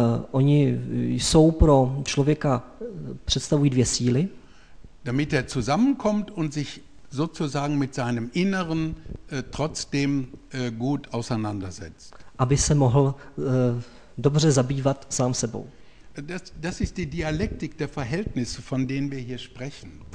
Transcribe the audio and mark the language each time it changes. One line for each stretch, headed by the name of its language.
Czech: Oni jsou pro člověka představují dvě síly.
German: Damit er zusammenkommt und sich sozusagen mit seinem Inneren trotzdem gut auseinandersetzt.
Czech: Aby se mohl dobře zabývat sám sebou.
German: Das ist die Dialektik der Verhältnisse, von denen wir hier sprechen.